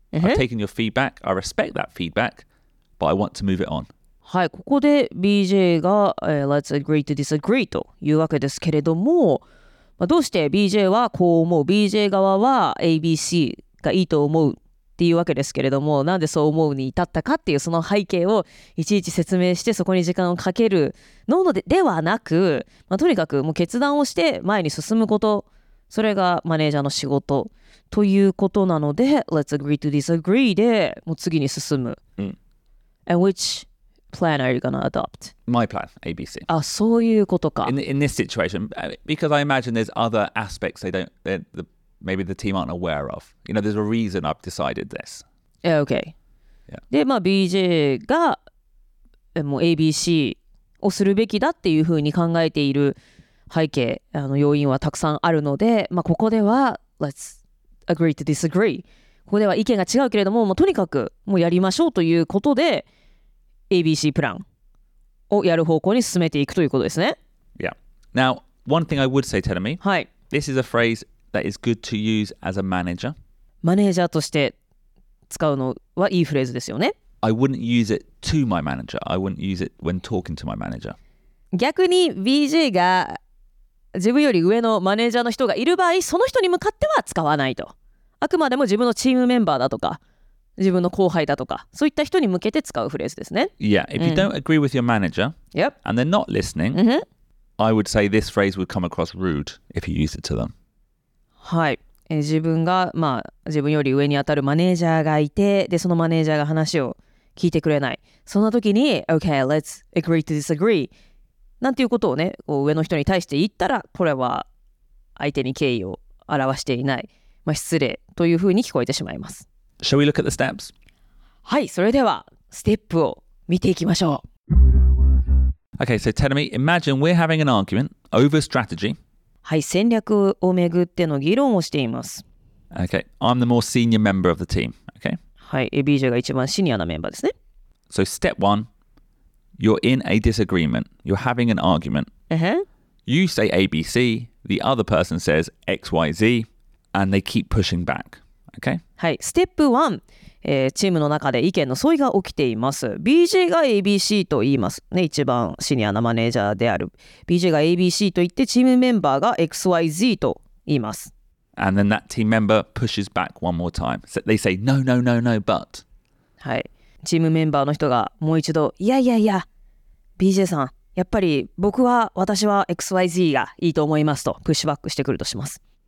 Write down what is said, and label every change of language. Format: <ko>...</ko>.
<en>Uh-huh. I've taken your feedback. I respect that feedback, but I want to move it on.</en> <ja>はい、ここで BJ が、</ja> <en>Let's agree to disagree</en> <ja>というわけですけれども、まあ、どうして BJ はこう思う、 BJ 側は ABC がいいと思うっていうわけですけれども、なんでそう思うに至ったかっていう、その背景をいちいち説明して、そこに時間をかけるの ではなく、まあ、とにかくもう決断をして前に進むこと、それがマネージャーの仕事ということなので、 Let's agree to disagree でもう次に進む、うん、</ja> <en>And whichplan are you going to adopt? My plan, ABC.</en> <ja>Ah, そういうことか。</ja> <en>In this situation, because I imagine there's other aspects maybe the team aren't aware of. You know, there's a reason I've decided this. Okay. Yeah.</en> <ja>で、まあ、BJ がもう ABC をするべきだっていうふうに考えている背景、あの要因はたくさんあるので、まあ、ここでは</ja> <en>Let's agree to disagree.</en> <ja>ここでは意見が違うけれども、まあ、とにかくもうやりましょうということで、ABC プランをやる方向に進めていくということですね。</ja> <en>Yeah. Now, one thing I would say, Tenami.</en> <ja>はい。</ja> <en>This is a phrase that is good to use as a manager.</en> <ja>マネージャーとして使うのはいいフレーズですよね。</ja> <en>I wouldn't use it to my manager. I wouldn't use it when talking to my manager.</en> <ja>逆に BJ が自分より上のマネージャーの人がいる場合、その人に向かっては使わないと。あくまでも自分のチームメンバーだとか、自分の後輩だとか、そういった人に向けて使うフレーズですね。</ja> <en>Yeah, if you don't agree with your manager、 yep. and they're not listening,、 mm-hmm. I would say this phrase would come across rude if you use it to them.</en> <ja>はい。自分が、まあ、自分より上に当たるマネージャーがいて、で、そのマネージャーが話を聞いてくれない。そんな時に、</ja> <en>Okay, let's agree to disagree.</en> <ja>なんていうことをね、こう上の人に対して言ったら、これは相手に敬意を表していない。まあ、失礼というふうに聞こえてしまいます。</ja> <en>Shall we look at the steps?</en> <ja>はい、それではステップを見ていきましょう。</ja> <en>Okay, so tell me, imagine we're having an argument over strategy.</en> <ja>はい、戦略をめぐっての議論をしています。</ja> <en>Okay, I'm the more senior member of the team, okay?</en> <ja>はい、BJ が一番シニアなメンバーですね。</ja> <en>So step one, you're in a disagreement. You're having an argument. Uh-huh. You say ABC, the other person says XYZ, and they keep pushing back. Okay.</en> <ja>はい、ステップ1、チームの中で意見の相違が起きています。 BJ が ABC と言いますね。一番シニアなマネージャーである BJ が ABC と言って、チームメンバーが XYZ と言います。</ja> <en>And then that team member pushes back one more time. So they say no no no no but、</en> <ja>はい、チームメンバーの人がもう一度、いやいやいや BJ さん、やっぱり僕は、私は XYZ がいいと思いますと、プッシュバックしてくるとします。</ja>